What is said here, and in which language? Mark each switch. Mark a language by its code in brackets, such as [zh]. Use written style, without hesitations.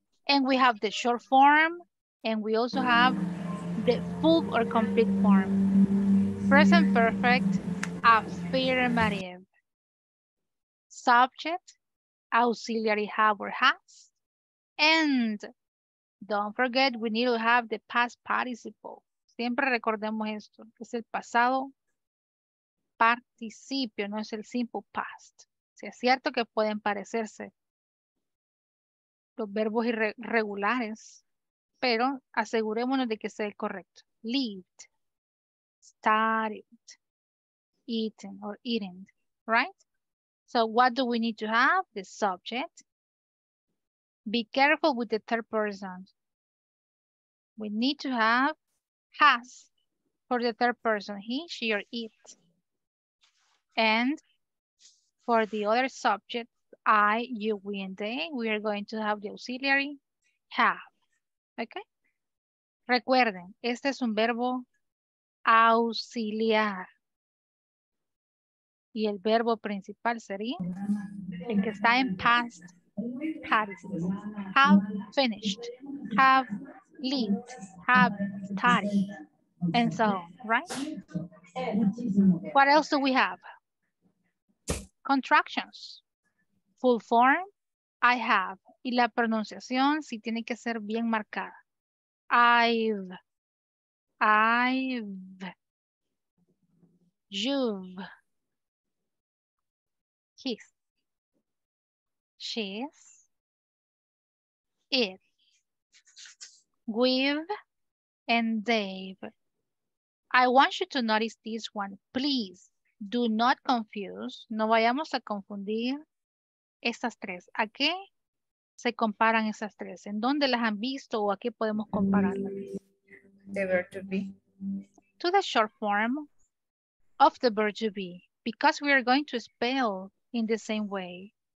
[en] And we have the short form, and we also have the full or complete form. Present perfect, affirmative. Subject, auxiliary have or has. And don't forget, we need to have the past participle. [es] Siempre recordemos esto. Es el pasado participio, no es el simple past. Si es cierto que pueden parecerse los verbos irregulares, pero asegurémonos de que sea correcto. [en] Lived. Started, eaten, or eaten, right? So what do we need to have? The subject. Be careful with the third person. We need to have has for the third person, he, she, or it. And for the other subject, I, you, we, and they, we are going to have the auxiliary have, okay? [es] Recuerden, este es un verbo auxiliar. Y el verbo principal sería el que está en past participle. [en] Have finished, have lived, have started, and so on, right? What else do we have? Contractions. Full form, I have. [es] Y la pronunciación sí tiene que ser bien marcada. [en] I've, you've, he's, she's, it, with, and Dave. I want you to notice this one. Please do not confuse. [es] No vayamos a confundir estas tres. ¿A qué se comparan esas tres? ¿En dónde las han visto o a qué podemos compararlas? [en] The verb to be. To the short form of the verb to be. Because we are going to spell in the same way.